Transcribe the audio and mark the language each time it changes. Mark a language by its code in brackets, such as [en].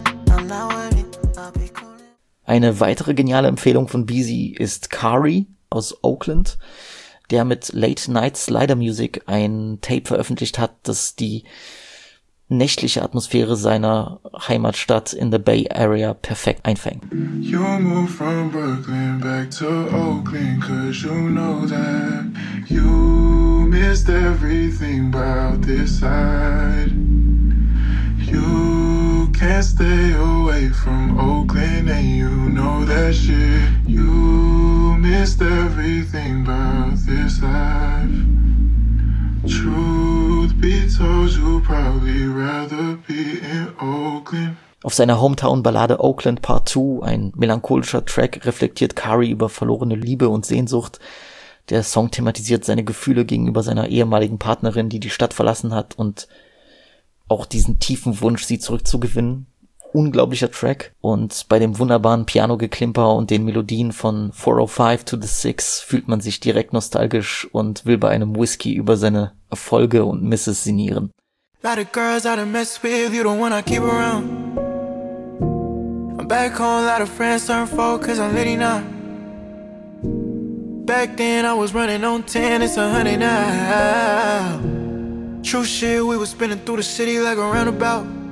[en] I'm not worried, I'll be cool. [de] Eine weitere geniale Empfehlung von Beezy ist Kari aus Oakland, der mit Late Night Slider Music ein Tape veröffentlicht hat, das die nächtliche Atmosphäre seiner Heimatstadt [en] in the Bay Area [de] perfekt einfängt. [en] You move from Brooklyn back to Oakland, cause you know that you missed everything about this side. You can't stay away from Oakland and you know that shit. You missed everything about this life. Truth be told, you'd probably rather be in Oakland. [de] Auf seiner Hometown-Ballade Oakland Part 2, ein melancholischer Track, reflektiert Kari über verlorene Liebe und Sehnsucht. Der Song thematisiert seine Gefühle gegenüber seiner ehemaligen Partnerin, die die Stadt verlassen hat, und auch diesen tiefen Wunsch, sie zurückzugewinnen. Unglaublicher Track. Und bei dem wunderbaren Piano-Geklimper und den Melodien von 405 to the 6 fühlt man sich direkt nostalgisch und will bei einem Whisky über seine Erfolge und Misses sinnieren. [en] A lot of girls I done mess with, you don't wanna keep around. I'm back home, a lot of friends turn four, cause I'm litty now. Back then I was running on 10, it's 100 now. True shit, we was spinning through the city like a roundabout.